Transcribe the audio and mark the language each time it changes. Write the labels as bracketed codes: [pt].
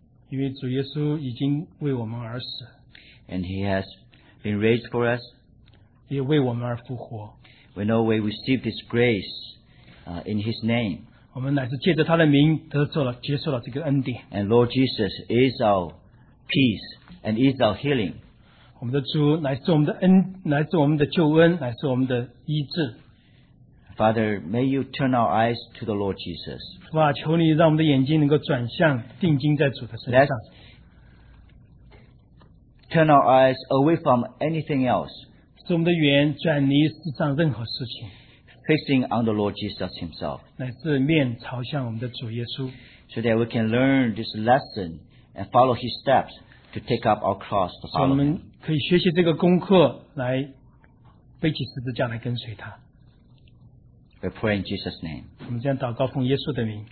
[zh] 因为主耶稣已经为我们而死， [en] and He has been raised for us, [zh] 也为我们而复活， [en] we know we receive this grace, in His name. [zh] 我们乃是借着他的名得受了接受了这个恩典。 [en] And Lord Jesus is our peace and is our healing. [zh] 我们的主乃是我们的恩，乃是我们的救恩，乃是我们的医治。 [en] Father, may you turn our eyes to the Lord Jesus. [zh] 主啊，求你让我们的眼睛能够转向，定睛在主的身上。 [en] Turn our eyes away from anything else. [zh] 使我们的眼转离世上任何事情。 [en] Facing on the Lord Jesus Himself. [zh] 乃是面朝向我们的主耶稣。 [en] So that we can learn this lesson and follow His steps to take up our cross to follow Him. [zh] 我们可以学习这个功课，来背起十字架来跟随他。 [en] We pray in Jesus' name. [zh] 我们这样祷告，奉耶稣的名。